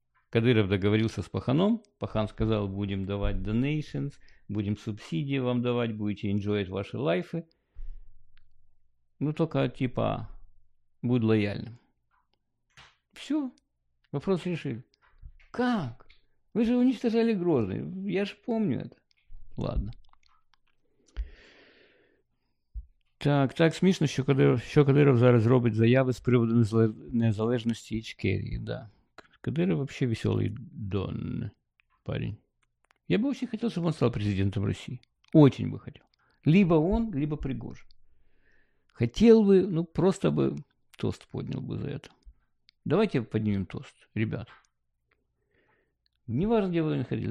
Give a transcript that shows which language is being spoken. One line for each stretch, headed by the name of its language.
Russian: Кадыров договорился с Паханом, Пахан сказал, будем давать donations, будем субсидии вам давать, будете enjoy ваши лайфы. Ну, только, типа, будь лояльным. Все. Вопрос решили. Как? Вы же уничтожали Грозный. Я же помню это. Ладно.
Ukrainian: Так, смешно, що Кадыров зараз робить заяви з приводу незалежності Ічкерії.
Russian: Да. Кадыров вообще веселый дон, парень. Я бы очень хотел, чтобы он стал президентом России. Очень бы хотел. Либо он, либо Пригожин. Хотел бы, ну просто бы тост поднял бы за это. Давайте поднимем тост, ребят. Неважно, где вы находились.